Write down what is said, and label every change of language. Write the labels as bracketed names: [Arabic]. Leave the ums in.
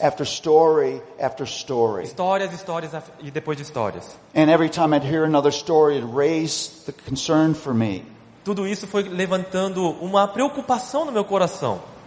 [English] After story after story. [Portuguese] Histórias, histórias e depois de histórias. [English] And every time I'd hear another story, it raised the concern for me. [Portuguese] Tudo isso foi levantando uma preocupação no meu coração.